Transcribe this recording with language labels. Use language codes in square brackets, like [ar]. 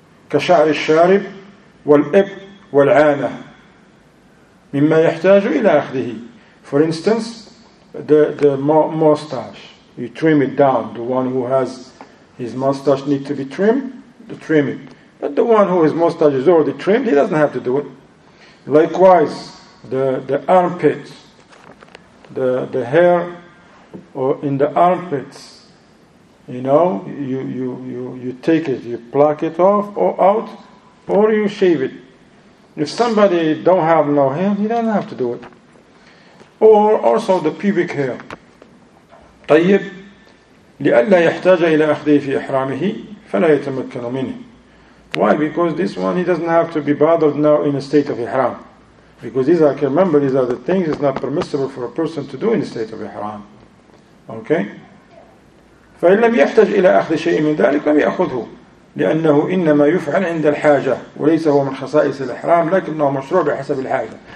[ar] كشعر الشارب والإب والعانة مما يحتاج إلى أخذه. [en] For instance, the mustache, you trim it down. The one who has his mustache need to be trimmed, trim it. But the one who his mustache is already trimmed, he doesn't have to do it. Likewise, the armpits, the hair or in the armpits, you know, you take it, you pluck it off or out, or you shave it. If somebody don't have no hair, he doesn't have to do it. Or also the pubic hair. [ar] طيب لئلا يحتاج إلى أخذه في إحرامه فلا يتمكن منه. [en] Why? Because this one he doesn't have to be bothered now in a state of ihram. Because these are, I can remember, these are the things it's not permissible for a person to do in a state of ihram. Okay. [ar] فإن لم يحتاج إلى أخذ شيء من ذلك لم يأخذه لأنه إنما يفعل عند الحاجة وليس هو من خصائص الإحرام لكنه مشروع بحسب الحاجة.